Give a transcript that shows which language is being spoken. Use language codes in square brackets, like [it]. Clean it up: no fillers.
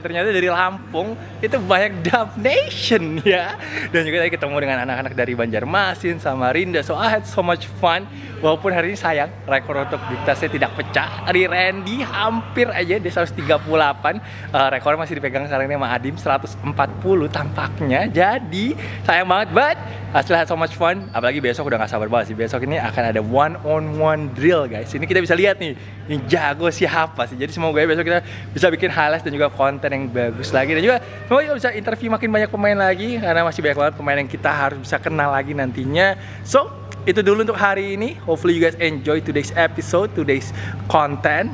[id] Ternyata dari Lampung itu banyak Dub Nation ya. Dan juga tadi ketemu dengan anak-anak dari Banjarmasin sama Rinda. [en] So I had so much fun. [id] Walaupun hari ini sayang, rekor untuk diktasnya tidak pecah. Hari Randy hampir aja, dia 138. Rekor masih dipegang sekarang ini sama Adim, 140 tampaknya. Jadi, sayang banget, but hasilnya [en] had so much fun. [id] Apalagi besok udah gak sabar banget sih. Besok ini akan ada [en] one-on-one drill, guys. [id] Ini kita bisa lihat nih, yang jago siapa sih. Jadi semoga besok kita bisa bikin highlights dan juga konten yang bagus lagi. Dan juga semoga kita bisa interview makin banyak pemain lagi. Karena masih banyak banget pemain yang kita harus bisa kenal lagi nantinya. So, itu dulu untuk hari ini. [en] Hopefully you guys enjoy today's episode, today's content.